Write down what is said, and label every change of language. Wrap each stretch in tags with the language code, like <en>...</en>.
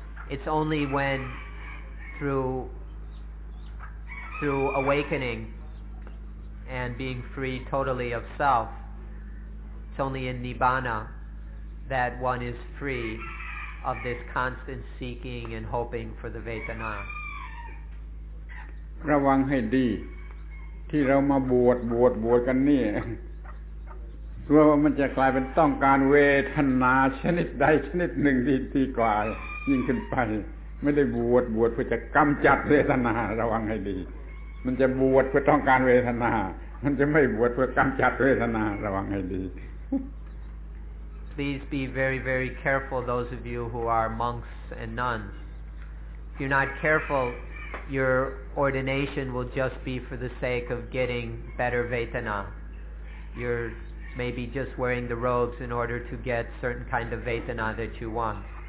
<en>It's only when through awakening and being free totally of self, it's only in nibbana that one is free of this constant seeking and hoping for the vedana.</en> <th>ระวังให้ดีที่เรามาบวชกันนี่กลัวว่ามันจะกลายเป็นต้องการเวทนาชนิดใดชนิดหนึ่งที่กว่ายิ่งขึ้นไปไม่ได้บวชเพื่อจะกำจัดเวทนาระวังให้ดีมันจะบวชเพื่อต้องการเวทนามันจะไม่บวชเพื่อกำจัดเวทนาระวังให้ดี</th> <en>Please be very very careful those of you who are monks and nuns if you're not carefulYour ordination will just be for the sake of getting better vedana. You're maybe just wearing the robes in order to get certain kind of vedana that you want.</en>